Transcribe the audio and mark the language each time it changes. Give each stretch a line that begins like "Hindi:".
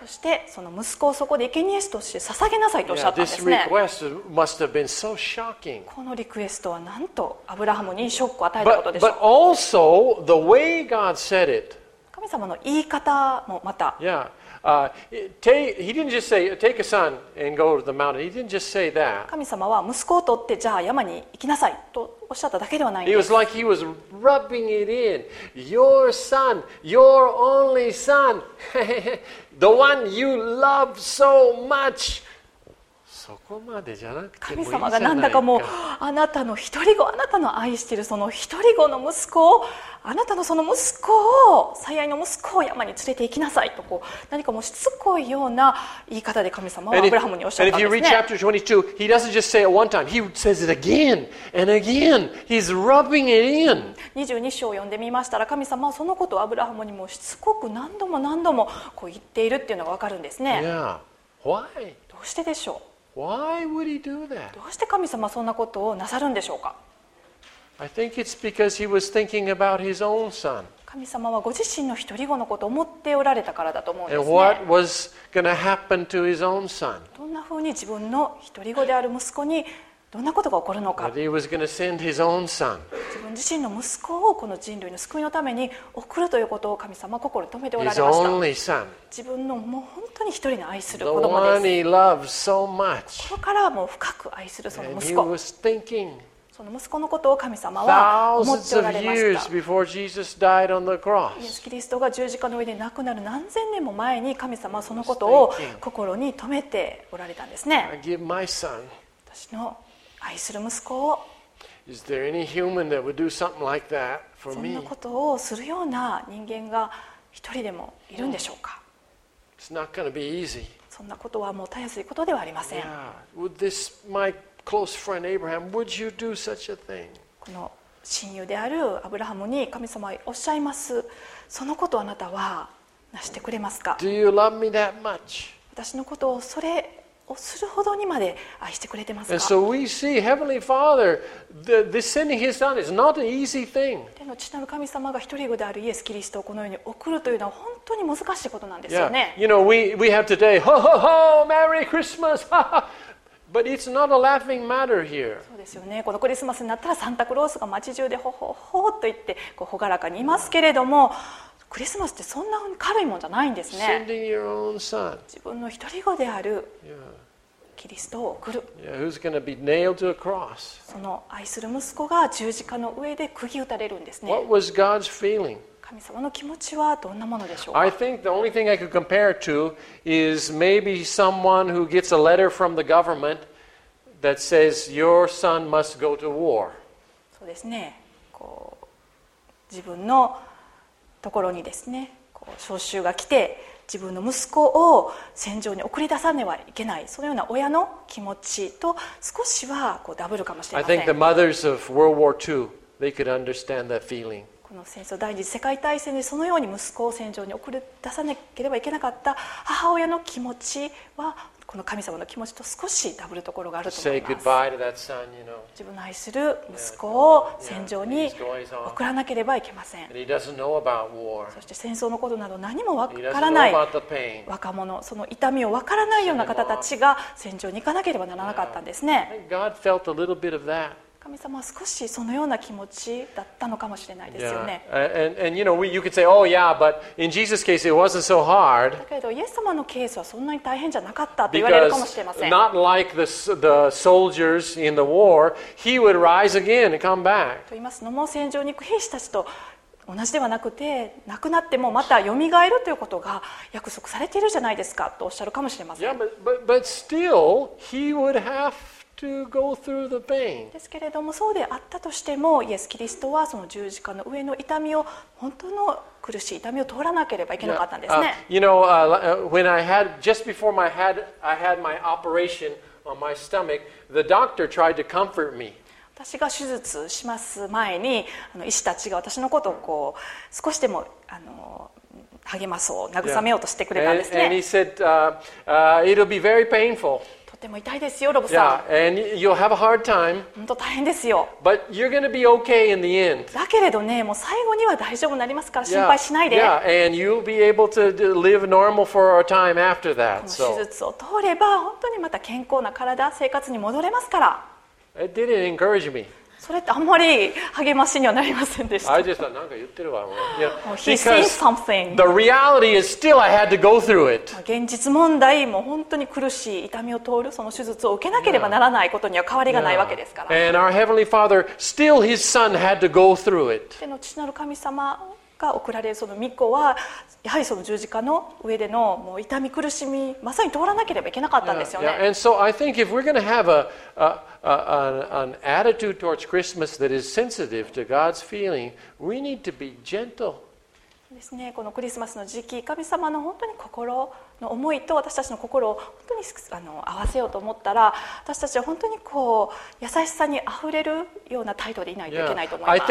Japanese: そしてその息子をそこで生贄として捧げなさいとおっしゃったんですね
English: yeah, this request must have been so shocking.
Japanese: このリクエストはなんとアブラハムにショックを与えたことでしょう
English: but also the way God said it.
Japanese: 神様の言い方もまた
English: yeah. He didn't just say, take a son and go to the mountain. He didn't just say that.
Japanese: 神様は息子を取ってじゃあ山に行きなさいとおっしゃっただけではないんです。
English: It was like he was rubbing it in. Your son, your only son, the one you love so much.
Japanese: そこまでじゃなくてもいいじゃないか。神様がなんだかもうあなたの一人子、あなたの愛しているその一人子の息子を。あなたのその息子を最愛の息子を山に連れて行きなさいとこう何かもうしつこいような言い方で神様はアブラハムにおっしゃったんですね。
English: And if you read chapter 22, he doesn't just say it one time. He says it again and again. He's rubbing it in.
Japanese: 22章を読んでみましたら神様はそのことをアブラハムにもしつこく何度も何度もこう言っているっていうのがわかるんですね。
English: Yeah. Why?
Japanese: どうしてでしょう。
English: Why would he do that?
Japanese: どうして神様はそんなことをなさるんでしょうか。
English: I think it's because he was thinking about his own son.
Japanese: 神様はご自身の一人子のことを思っておられたからだと思うんですね。
English: And what was going to happen to his own son?
Japanese: どんなふうに自分の一人子である息子にどんなことが起こるのか。
English: That he was going to send his own son.
Japanese: 自分自身の息子をこの人類の救いのために送るということを神様は心に留めておられました。
English: His only son.
Japanese: 自分のもう本当に一人の愛する子供です。
English: The one he loves so much.
Japanese: ここからはもう深く愛するその息子。
English: And he was thinking.
Japanese: その息子のことを神様は思っておられました。イエス・キリストが十字架の上で亡くなる何千年も前に神様はそのことを心に留めておられたんですね。私の愛する息子を、そんなことをするような人間が一人でもいるんでしょうか。
English: It's not going to be easy.
Japanese: そんなことはもうたやすいことではありません。
English: Yeah. Would this my... Close friend Abraham, would you do such a thing?
Japanese: この親友であるアブラハムに神様はおっしゃいます。そのことをあなたはなしてくれますか?
English: Do you love me that much?
Japanese: 私のことをそれをするほどにまで愛してくれてますか?
English: And so we see Heavenly Father, the sending His Son is not an easy thing.
Japanese: 天の父なる神様が一人子であるイエス・キリストをこのように送るというのは本当に難しいことなんですよね。
English: Yeah. You know, we have today, ho ho ho, Merry Christmas! Ha ha! But it's not a laughing matter here.
Japanese: そうですよね。このクリスマスになったらサンタクロースが街中でほほほーと言ってこうほがらかにいますけれども、クリスマスってそんな軽いもんじゃないんですね。
English: Sending your own son.
Japanese: 自分の一人子であるキリストを送る。
English: Yeah, who's going to be nailed to a cross?
Japanese: その愛する息子が十字架の上で釘打たれるんですね。
English: What was God's feeling?
Japanese: 神様の気持ちはどんなものでしょうか?
English: I think the only thing I could compare to is maybe someone who gets a letter from the government that says your son must go to war.
Japanese: そうですね。こう自分のところにですね、こう召集が来て自分の息子を戦場に送り出さねばいけない。そのような親の気持ちと少しはこうダブルかもしれません。
English: I think the mothers of World War II, they could understand that feeling.
Japanese: この戦争第二次世界大戦でそのように息子を戦場に送り出さなければいけなかった母親の気持ちはこの神様の気持ちと少しダブルところがあると思います。
English: Say goodbye to that son, you know.
Japanese: 自分の愛する息子を戦場に送らなければいけません。
English: And he doesn't know about war.
Japanese: そして戦争のことなど何もわからない若者、その痛みをわからないような方たちが戦場に行かなければならなかったんですね。
English: God felt a little bit of that.
Japanese: 神様は少しそのような気持ちだったのかもしれないですよね。
English: Yeah. And you know, you could say, oh yeah, but in Jesus' case, it wasn't so hard.
Japanese: だけど、イエス様のケースはそんなに大変じゃなかったと言われるかもしれません。
English: Because not like the soldiers in the war, he would rise again and come back.
Japanese: と言いますのも、戦場に行く兵士たちと同じではなくて、亡くなってもまた蘇るということが約束されているじゃないですかとおっしゃるかもしれません。
English: Yeah, but still, he would haveTo go through the pain.
Japanese: ですけれどもそうであったとしてもイエス・キリストはその十字架の上の痛みを本当の苦しい痛みを通らなければいけなかったんですね。
English: You know, when I had just before my head, I had my operation on my stomach, the doctor tried to comfort me.
Japanese: 私が手術します前に医師たちが私のことをこう少しでも励まそう慰めようとしてくれたんですね、
English: yeah. and he said, it'll be very painful.
Japanese: とても痛いですよロブさん、
English: yeah. and you'll have a hard time.
Japanese: 本当大変ですよ
English: but you're going to be okay in the end.
Japanese: だけれどねもう最後には大丈夫になりますから心配しないで
English: yeah. Yeah. and you'll be able to live normal for a time after that.
Japanese: この手術を通れば本当にまた健康な体生活に戻れますから
English: It didn't encourage me.
Japanese: それってあんまり励ましにはなりませんでした。
English: I just thought,
Japanese: なんか言ってるわ。
English: You know, he said something. The reality is still I had to go through it.
Japanese: 現実問題も本当に苦しい痛みを通るその手術を受けなければならないことには変わりがないわけですから。
English: Yeah. And our Heavenly Father, still His Son had to go through it.
Japanese: 天の父なる神様が送られるその御子はやはりその十字架の上でのもう痛み苦しみまさに通らなければいけなかったんですよね。
English: Yeah, yeah. And so I think if we're going to have an attitude towards Christmas that is sensitive to God's feeling, we need to be gentle.
Japanese: ですね。このクリスマスの時期、神様の本当に心の思いと私たちの心を本当に合わせようと思ったら、私たちは本当にこう優しさにあふれるような態度でいないといけないと思います。